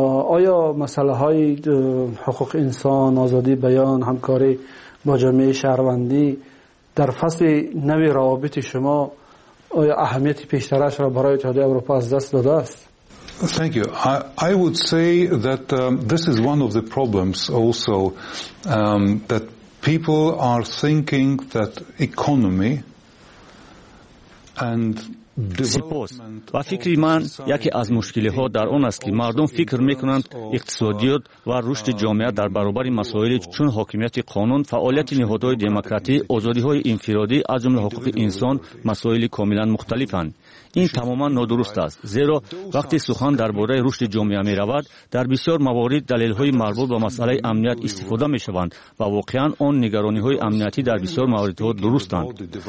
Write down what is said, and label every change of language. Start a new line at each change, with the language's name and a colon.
Persian: آیا مسئله های حقوق انسان، آزادی بیان، همکاری با جامعه شهروندی در فصل نوی روابط شما آیا اهمیت پیشترش را برای اتحادیه اروپا از دست داده است؟
English: Thank you. I would say that this is one of the problems also that people are thinking that economy and
Persian: سپاس. و فکری من یکی از مشکلی ها در آن است که مردم فکر میکنند اقتصادیات و رشد جامعه در برابر مسائل چون حاکمیت قانون، فعالیت نهادهای دموکراتی، آزادی های انفرادی از جمله حقوق انسان مسائل کاملا مختلفند. این تماما نادرست است، زیرا وقتی سخن درباره رشد جامعه می رود، در بسیار موارد دلیل های مربوط به مسئله امنیت استفاده می شوند و واقعا آن نگرانی های امنیتی در بسیار موارد ها درستند.